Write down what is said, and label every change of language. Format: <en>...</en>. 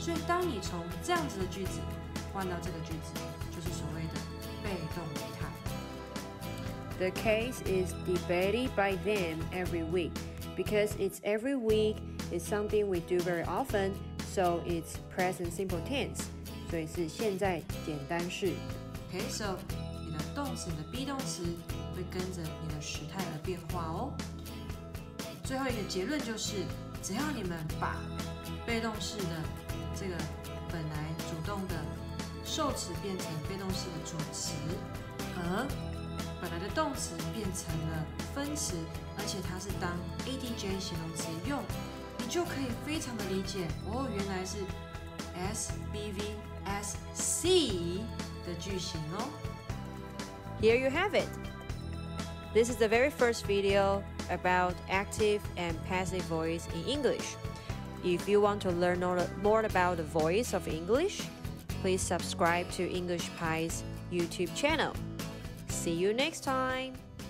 <zh>所以当你从这样子的句子换到这个句子，就是所谓的被动语态。</zh> <en>The case is debated by them every week. Because it's every week, it's something we do very often, so it's present simple tense.</en> <zh>所以是现在简单式。</zh> <en>Okay, so</en> <zh>你的动词的 be 动词会跟着你的时态而变化哦。最后一个结论就是，只要你们把被动式的这个本来主动的受词变成被动式的主词，而本来的动词变成了分词，而且它是当 ADJ 形容词用，你就可以非常的理解哦，原来是 SBVSC 的句型哦。</zh> <en>Here you have it. This is the very first video about active and passive voice in English. If you want to learn more about the voice of English, please subscribe to English Pie's YouTube channel. See you next time!</en>